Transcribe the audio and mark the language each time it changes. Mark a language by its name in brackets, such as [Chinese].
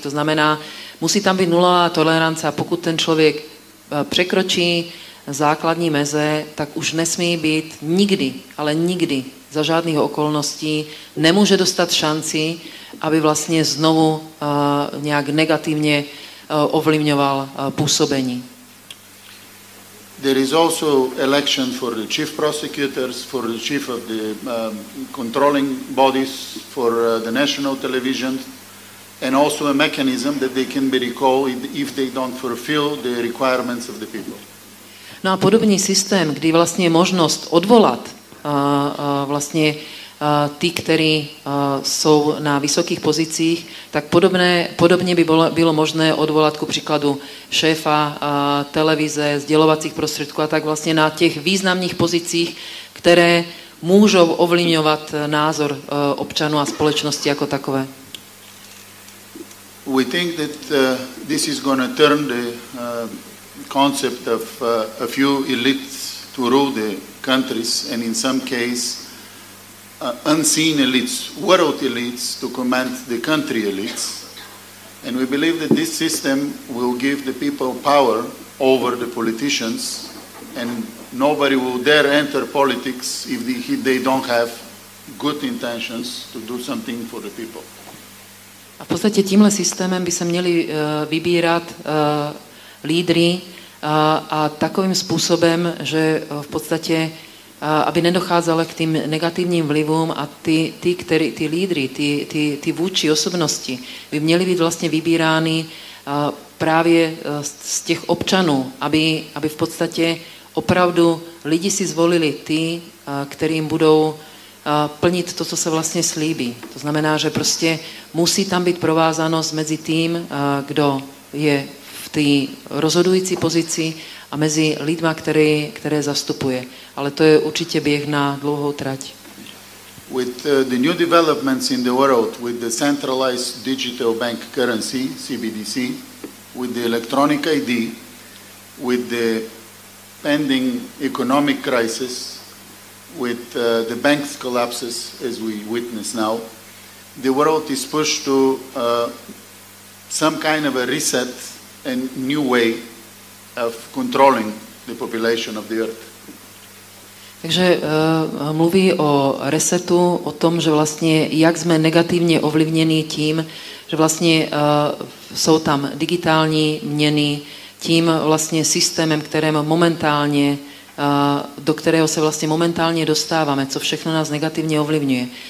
[Czech] To znamená, musí tam být nulová tolerance a pokud ten člověk překročí základní meze, tak už nesmí být nikdy, ale nikdy za žádných okolností nemůže dostat šanci, aby vlastně znovu nějak negativně ovlivňoval působení. [English] There is also election for the chief prosecutors, for the chief of the controlling bodies, for the national television, and also a mechanism that they can be recalled if they don't fulfill the requirements of the people. [Czech] No a podobný systém, kdy vlastně je možnost odvolat vlastně ty, kteří jsou na vysokých pozicích, tak podobně by bylo možné odvolat ku příkladu šéfa televize, sdělovacích prostředků a tak vlastně na těch významných pozicích, které můžou ovlivňovat názor občanů a společnosti jako takové. [English] We think that this is going to turn the concept of a few elites to rule the countries and in some case unseen elites, world elites to command the country elites, and we believe that this system will give the people power over the politicians and nobody will dare enter politics if they don't have good intentions to do something for the people. [Czech] A v podstatě tímhle systémem by se měli vybírat lídry a takovým způsobem, že v podstatě aby nedocházelo k tým negativním vlivům a ty lídry, ty vůdčí osobnosti by měly být vlastně vybírány právě z těch občanů, aby v podstatě opravdu lidi si zvolili ty, kterým budou plnit to, co se vlastně slíbí. To znamená, že prostě musí tam být provázanost mezi tím, kdo je v té rozhodující pozici a mezi lidma, které zastupuje. Ale to je určitě běh na dlouhou trať. [English] With the new developments in the world, with the centralized digital bank currency, CBDC, with the electronic ID, with the pending economic crisis, with the bank collapses as we witness now, the world is pushed to some kind of a reset and new way of controlling the population of the earth. [Czech] Takže mluví o resetu, o tom, že vlastně jak jsme negativně ovlivněni tím, že vlastně jsou tam digitální měny, tím vlastně systémem, kterém momentálně, do kterého se vlastně momentálně dostáváme, co všechno nás negativně ovlivňuje.